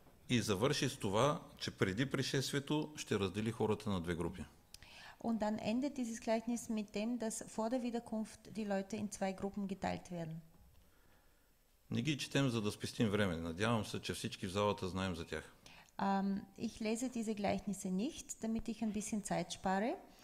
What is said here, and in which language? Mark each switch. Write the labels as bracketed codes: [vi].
[bg] И завърши с това, че преди пришествието ще раздели хората на две групи. [de] Und dann endet dieses Gleichnis mit dem, dass vor der Wiederkunft die Leute in zwei Gruppen geteilt werden. [bg] Не ги четем, за да спестим време. Надявам се, че всички в залата знаем за тях. [de] Ich lese diese Gleichnisse nicht, damit ich ein bisschen Zeit spare.